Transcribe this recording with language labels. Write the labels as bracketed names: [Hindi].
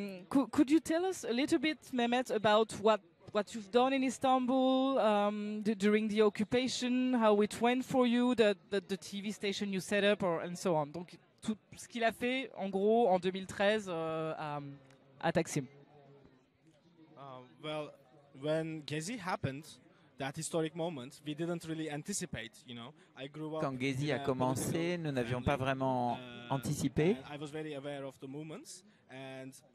[English] Could you tell us a little bit, Mehmet, about what you've done in Istanbul during the occupation, how it went for you, the TV station you set up, or and so on. [French] Donc tout ce qu'il a fait en gros en 2013 à Taksim. [English] Well, when Gezi happened, that historic moment, we didn't really anticipate, you know. I grew up. [French] Quand Gezi a commencé, nous n'avions pas vraiment anticipé. [English] I was very aware of the movements, and